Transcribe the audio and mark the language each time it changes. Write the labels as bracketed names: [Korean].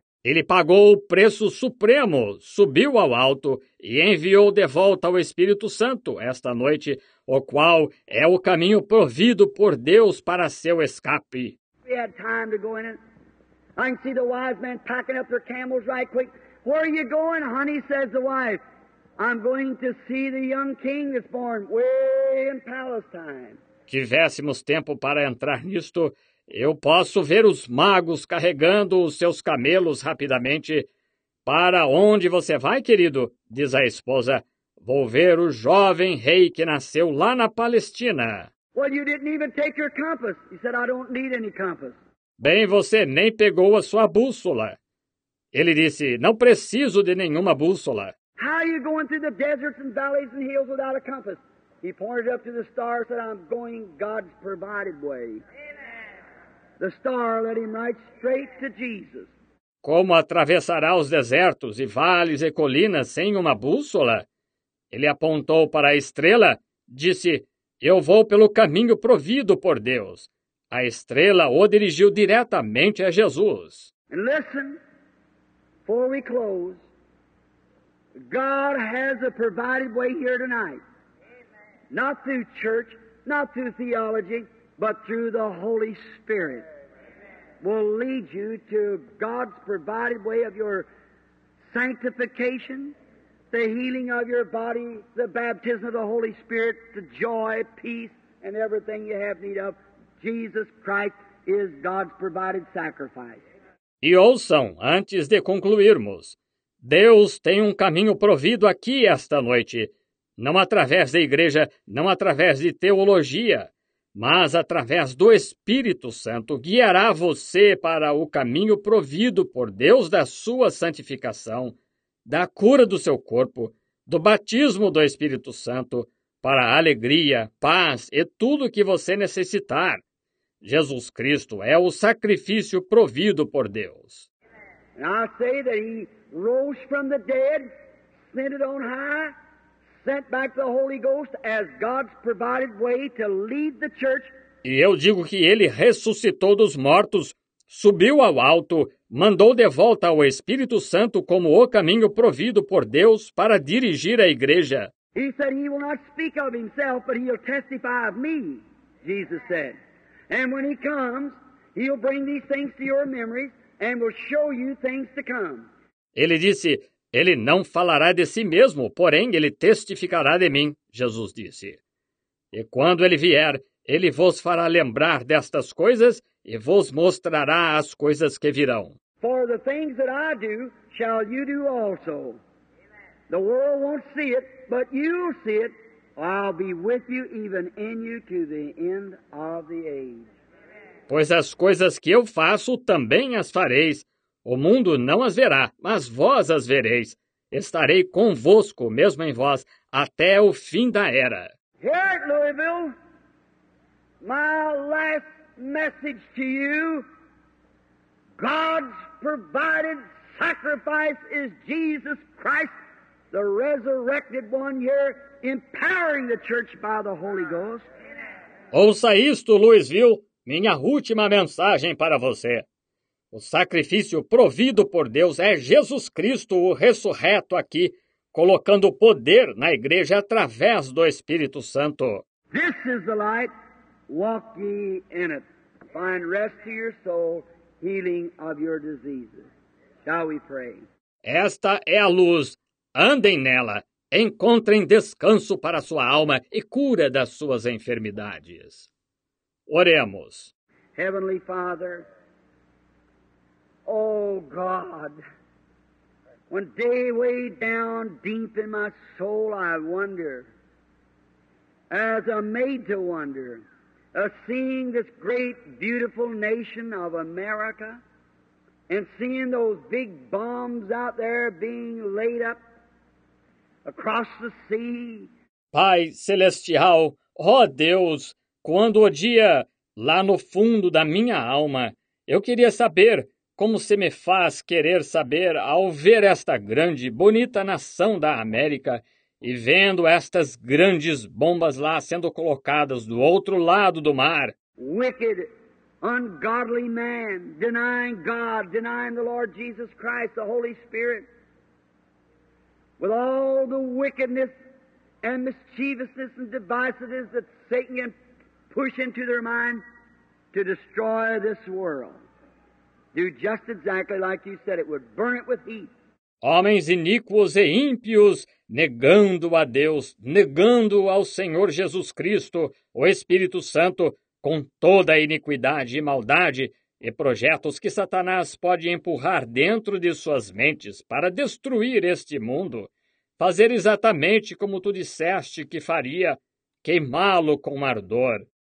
[Portuguese] Ele pagou o preço supremo, subiu ao alto e enviou de volta o Espírito Santo esta noite, o qual é o caminho provido por Deus para seu escape. [English] We had time to go in it. I can see the wise men packing up their camels right quick. Where are you going, honey? Says the wife. I'm going to see the young king that's born way in Palestine. [Portuguese] Tivéssemos tempo para entrar nisto. Eu posso ver os magos carregando os seus camelos rapidamente. Para onde você vai, querido? Diz a esposa. Vou ver o jovem rei que nasceu lá na Palestina. [English] Well, you didn't even take your compass. He said, I don't need any compass. [Portuguese] Bem, você nem pegou a sua bússola. Ele disse, não preciso de nenhuma bússola. [English] How are you going through the deserts and valleys and hills without a compass? He pointed up to the stars and said, I'm going God's provided way. Amen. The star led him right straight to Jesus. [Portuguese] Como atravessará os desertos e vales e colinas sem uma bússola? Ele apontou para a estrela, disse, eu vou pelo caminho provido por Deus. A estrela o dirigiu diretamente a Jesus. [English] And listen, before we close, God has a provided way here tonight. Amen. Not through church, not through theology, but through the Holy Spirit. Will lead you to God's provided way of your sanctification, the healing of your body, the baptism of the Holy Spirit, the joy, peace, and everything you have need of. Jesus Christ is God's provided sacrifice. [Portuguese] E ouçam, antes de concluirmos, Deus tem um caminho provido aqui esta noite, não através da igreja, não através de teologia, mas através do Espírito Santo guiará você para o caminho provido por Deus da sua santificação, da cura do seu corpo, do batismo do Espírito Santo, para a alegria, paz e tudo o que você necessitar. Jesus Cristo é o sacrifício provido por Deus. [English] And I say that he rose from the dead, ascended on high, sent back the Holy Ghost as God's provided way to lead the church. [Portuguese] E eu digo que ele ressuscitou dos mortos, subiu ao alto, mandou de volta ao Espírito Santo como o caminho provido por Deus para dirigir a igreja. [English] He said he will not speak of himself, but he'll testify of me, Jesus said. And when he comes, he'll bring these things to your memory and will show you things to come. [Portuguese] Ele disse, ele não falará de si mesmo, porém ele testificará de mim, Jesus disse. E quando ele vier, ele vos fará lembrar destas coisas e vos mostrará as coisas que virão. [English] For the things that I do, shall you do also. The world won't see it, but you'll see it. I'll be with you even in you to the end of the age. [Portuguese] Pois as coisas que eu faço também as fareis. O mundo não as verá, mas vós as vereis. Estarei convosco, mesmo em vós, até o fim da era. [English] Here at Louisville, my last message to you, God's provided sacrifice is Jesus Christ, the resurrected one here, empowering the church by the Holy Ghost. [Portuguese] Ouça isto, Louisville, minha última mensagem para você. O sacrifício provido por Deus é Jesus Cristo, o ressurreto aqui, colocando poder na igreja através do Espírito Santo. [English] This is the light, walk ye in it. Find rest to your soul, healing of your diseases. Shall we pray? [Portuguese] Esta é a luz, andem nela, encontrem descanso para sua alma e cura das suas enfermidades. Oremos. [English] Heavenly Father, oh, God, when day weighed down deep in my soul, I wonder, as I'm made to wonder, seeing this great, beautiful nation of America and seeing those big bombs out there being laid up across the sea. [Portuguese] Pai Celestial, ó Deus, quando o dia lá no fundo da minha alma, eu queria saber, como se me faz querer saber ao ver esta grande, bonita nação da América e vendo estas grandes bombas lá sendo colocadas do outro lado do mar. [English] Wicked, ungodly man, denying God, denying the Lord Jesus Christ, the Holy Spirit, with all the wickedness and mischievousness and devices that Satan can push into their mind to destroy this world. Do just exactly like you said it would, burn it with heat. [Portuguese] Homens iníquos e ímpios, negando a Deus, negando ao Senhor Jesus Cristo, o Espírito Santo, com toda a iniquidade e maldade e projetos que Satanás pode empurrar dentro de suas mentes para destruir este mundo, fazer exatamente como tu disseste que faria, queimá-lo com ardor.